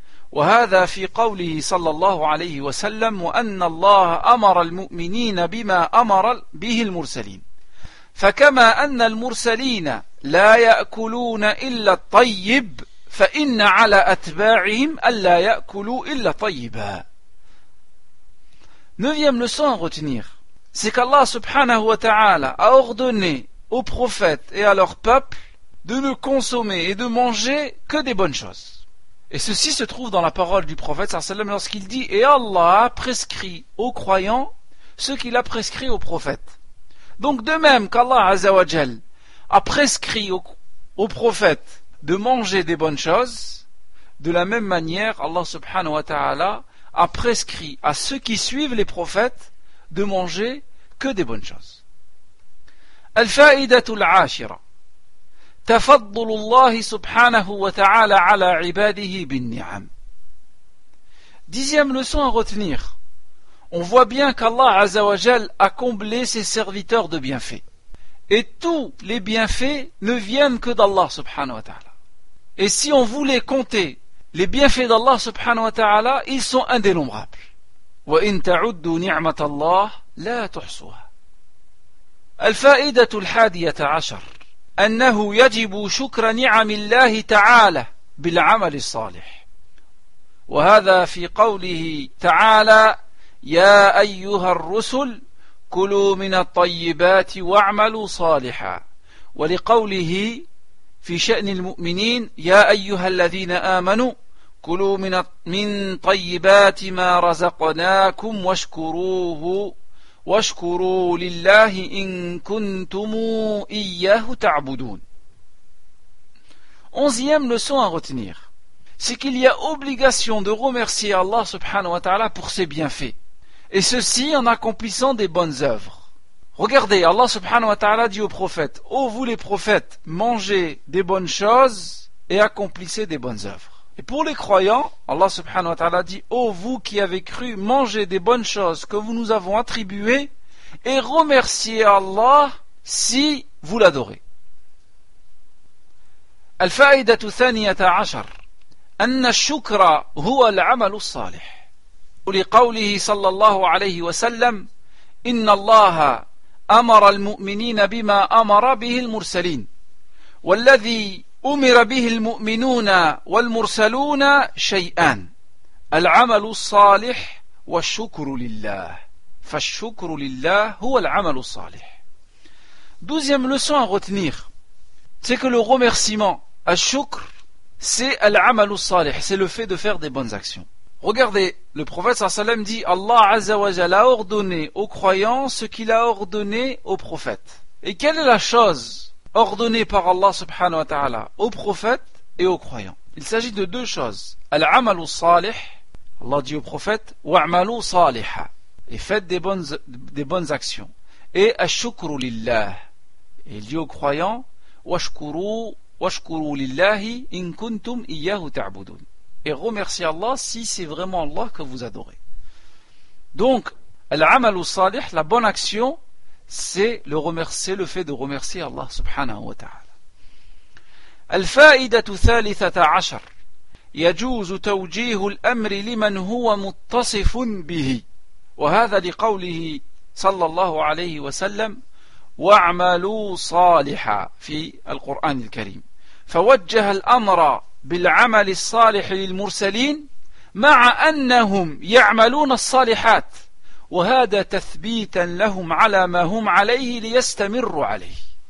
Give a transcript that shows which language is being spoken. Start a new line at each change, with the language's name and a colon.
Arabic: وهذا في قوله صلى الله عليه وسلم وأن الله أمر المؤمنين بما أمر به المرسلين فكما أن المرسلين لا يأكلون إلا الطيب فإن على أتباعهم ألا يأكلوا إلا طيبا.
French: Neuvième leçon à retenir, c'est qu'Allah subhanahu wa ta'ala a ordonné aux prophètes et à leur peuple de ne consommer et de manger que des bonnes choses. Et ceci se trouve dans la parole du prophète sallallahu alayhi wa sallam lorsqu'il dit: et Allah a prescrit aux croyants ce qu'il a prescrit aux prophètes. Donc de même qu'Allah azza wa jal a prescrit aux prophètes de manger des bonnes choses, de la même manière Allah subhanahu wa ta'ala a prescrit à ceux qui suivent les prophètes de manger que des bonnes choses.
Arabic: Al-fa'idatu al-ashira, تفضل الله سبحانه وتعالى على عباده بالنعم.
French: Dixième leçon à retenir. On voit bien qu'Allah Azza wa Jal a comblé ses serviteurs de bienfaits. Et tous les bienfaits ne viennent que d'Allah subhanahu wa ta'ala. Et si on voulait compter les bienfaits d'Allah subhanahu wa ta'ala, ils sont indénombrables.
Arabic: وَإِن تَعُدُّوا نِعْمَةَ اللَّهِ لَا تُحْصُوهَا. الفائدة الحادية عشر, أنه يجب شكر نعم الله تعالى بالعمل الصالح وهذا في قوله تعالى يا أيها الرسل كلوا من الطيبات واعملوا صالحا ولقوله في شأن المؤمنين يا أيها الذين آمنوا كلوا من طيبات ما رزقناكم واشكروه وَشْكُرُوا لِلَّهِ إِن كُنْتُمُوا إِيَّهُ تَعْبُدُونَ.
French: Onzième leçon à retenir, c'est qu'il y a obligation de remercier Allah subhanahu wa ta'ala pour ses bienfaits, et ceci en accomplissant des bonnes œuvres. Regardez, Allah subhanahu wa ta'ala dit aux prophètes: ô vous les prophètes, mangez des bonnes choses et accomplissez des bonnes œuvres. Et pour les croyants, Allah subhanahu wa ta'ala dit: ô vous qui avez cru, mangez des bonnes choses que vous nous avons attribuées et remerciez Allah si vous l'adorez.
Arabic: Al-fa'idatu thaniyata ashar, anna shukra huwa al-amalu salih. ولقوله صلى الله عليه وسلم إن الله أمر المؤمنين بما أمر به المرسلين والذي أمر به المؤمنون والمرسلون شيئان العمل الصالح والشكر لله فالشكر لله هو العمل الصالح.
French: Douzième leçon à retenir, c'est que le remerciement à shukr, c'est al-amal salih, c'est le fait de faire des bonnes actions. Regardez, le prophète sallam dit Allah azza wa jalla a ordonné aux croyants ce qu'il a ordonné aux prophètes. Et quelle est la chose ordonnée par Allah subhanahu wa ta'ala aux prophètes et aux croyants? Il s'agit de deux choses. Al-amal salih, Allah dit au prophète
Arabic: wa'malu saliha,
French: et faites des bonnes actions. Et ash-shukru lillah, et il dit aux croyants
Arabic: washkuru lillahi in kuntum iyyahu ta'budun,
French: et remerciez Allah si c'est vraiment Allah que vous adorez. Donc al-amal salih, la bonne action, c'est le remercier, le fait de remercier Allah subhanahu wa ta'ala.
Arabic: Al-fa'idatu thalithata 'ashar يجوز توجيه الأمر لمن هو متصف به وهذا لقوله صلى الله عليه وسلم واعملوا صالحا في القرآن الكريم فوجه الأمر بالعمل الصالح للمرسلين مع أنهم يعملون الصالحات وهذا تثبيتا لهم على ما هم عليه ليستمروا عليه.